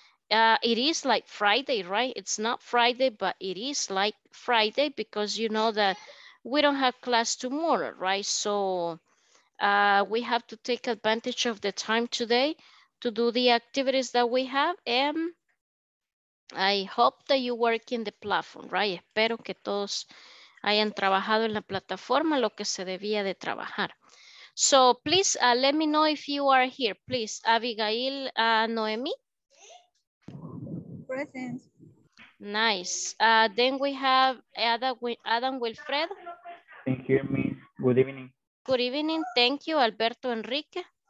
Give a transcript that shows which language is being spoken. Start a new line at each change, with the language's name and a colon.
English: It is like Friday, right? It's not Friday, but it is like Friday because you know that we don't have class tomorrow, right? So we have to take advantage of the time today to do the activities that we have. And I hope that you work in the platform, right?
Spanish: Espero que todos hayan trabajado en la plataforma lo que se debía de trabajar.
English: So please let me know if you are here, please. Abigail, Noemi. Present. Nice. Then we have Adam Wilfred. Thank you, me. Good evening. Good evening. Thank you, Alberto Enrique.